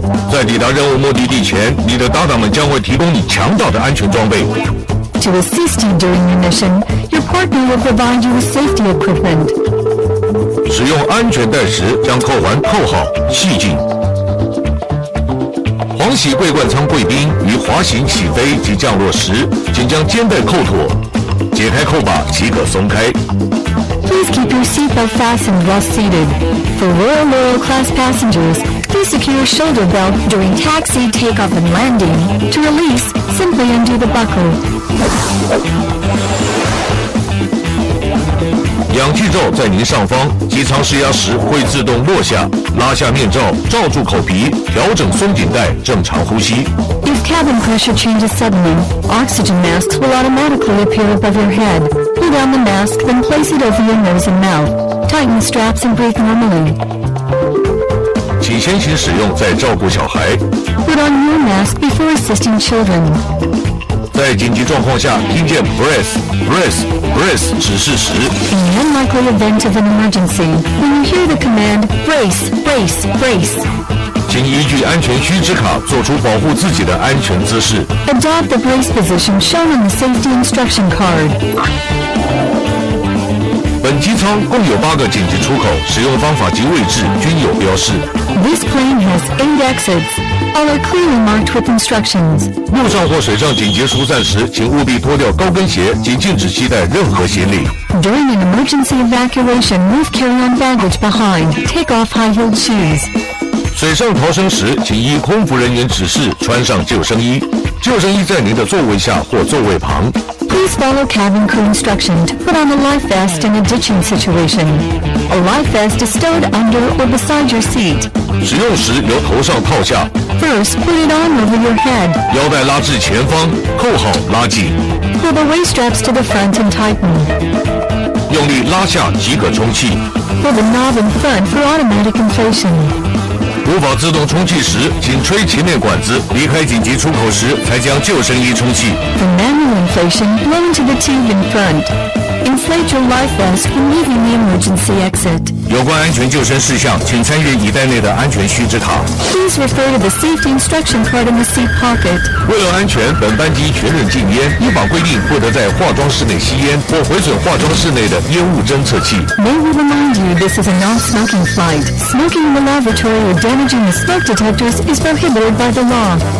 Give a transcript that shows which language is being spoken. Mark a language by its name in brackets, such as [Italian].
[Chinese] 在抵达任务目的地前，你的搭档们将会提供你强大的安全装备。 [English] To assist you during your mission, your partner will provide you with safety equipment. [Chinese] 使用安全带时，将扣环扣好，系紧。黄喜桂冠舱贵宾于滑行、起飞及降落时，请将肩带扣妥，解开扣把即可松开。 [English] Please keep your seatbelt fastened while seated. For Royal Loyal Class passengers, please secure your shoulder belt during taxi, takeoff, and landing. To release, simply undo the buckle. [Chinese] 氧气罩在您上方，机舱施压时会自动落下。拉下面罩，罩住口鼻，调整松紧带，正常呼吸。 [English] If cabin pressure changes suddenly, oxygen masks will automatically appear above your head. Pull down the mask, then place it over your nose and mouth. Tighten the straps and breathe normally. [Chinese] 请先行使用再照顾小孩。 [English] Put on your mask before assisting children. [Chinese] 在紧急状况下，听见 [English] breath, breath, breath [Chinese] 指示时。 [English] In the unlikely event of an emergency, when you hear the command, brace, brace, brace. [Chinese] 请依据安全须知卡做出保护自己的安全姿势。 [English] Adopt the brace position shown in the safety instruction card. [Chinese] 本机舱共有8个紧急出口，使用方法及位置均有标示。 [English] This plane has 8 exits. All are clearly marked with instructions. [Chinese] 陆上或水上紧急疏散时，请务必脱掉高跟鞋，请禁止携带任何行李。 [English] During an emergency evacuation, leave carry-on baggage behind. Take off high-heeled shoes. [Chinese] 水上逃生时，请依空服人员指示穿上救生衣。救生衣在您的座位下或座位旁。 [English] Please follow cabin crew instruction to put on a life vest in a ditching situation. A life vest is stowed under or beside your seat. [Chinese] 使用时由头上套下。 [English] First, put it on over your head. [Chinese] 腰带拉至前方，扣好拉紧。 [English] Pull the waist straps to the front and tighten. [Chinese] 用力拉下即可充气。 [English] Pull the knob in front for automatic inflation. [Chinese] 无法自动充气时，请吹前面管子。离开紧急出口时，才将救生衣充气。 [English] For manual inflation, blow into the tube in front. Inflate your life vest when leaving the emergency exit. [Chinese] 有关安全救生事项，请参阅椅袋内的安全须知卡。 [English] Please refer to the safety instruction card in the seat pocket. [Chinese] 为了安全，本班机全面禁烟。依法规定，不得在化妆室内吸烟或毁损化妆室内的烟雾侦测器。 [English] May we remind you, this is a non-smoking flight. Smoking in the laboratory or damaging the smoke detectors is prohibited by the law.